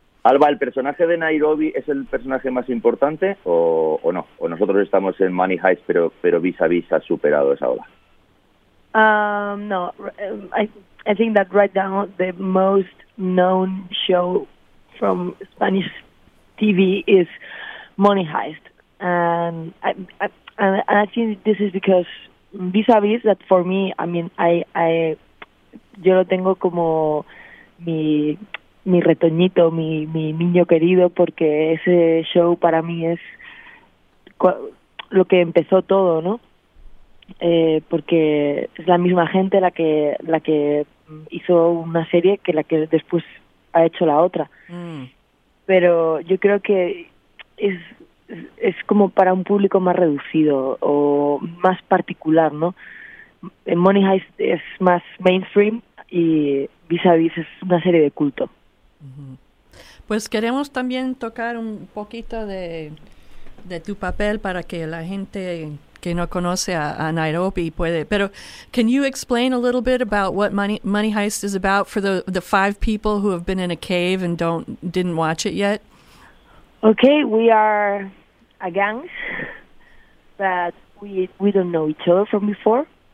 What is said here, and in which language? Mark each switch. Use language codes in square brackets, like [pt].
[es] Alba, ¿el personaje de Nairobi es el personaje más importante o no? ¿O nosotros estamos en Money Heist, pero Vis a Vis ha superado esa ola? [en] No, I think that right now the most known show from Spanish TV is Money Heist. And I think this is because Vis a Vis, that for me, I mean, I [es] yo lo tengo como mi retoñito, mi niño querido, porque ese show para mí es lo que empezó todo, ¿no? Porque es la misma gente la que hizo una serie que la que después ha hecho la otra. Mm. Pero yo creo que es como para un público más reducido o más particular, ¿no? Money Heist es más mainstream y Vis a Vis es una serie de culto. Pues queremos también tocar un poquito de tu papel para que la gente que no conoce a Nairobi puede. [en] Pero can you explain a little bit about what Money Heist is about for the five people who have been in a cave and didn't watch it yet? Okay, we are a gang, but we don't know each other from before.